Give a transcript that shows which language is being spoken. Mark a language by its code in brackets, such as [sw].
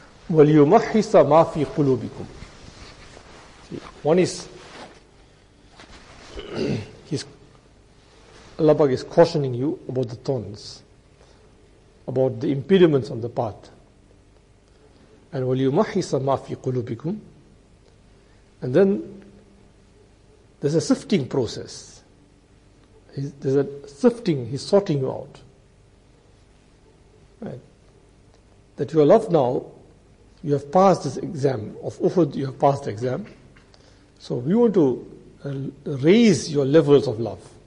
[ar] وَلْيُمَحِّصَ مَا فِي قُلُوبِكُمْ. [en] One is, Allah Pak is cautioning you about the thorns, about the impediments on the path. And [ar] وَلْيُمَحِّصَ مَا فِي قُلُوبِكُمْ. [en] And then There's a sifting process. There's a sifting, he's sorting you out. Right? That you are loved now, you have passed this exam. Of Uhud, you have passed the exam. So we want to raise your levels of love.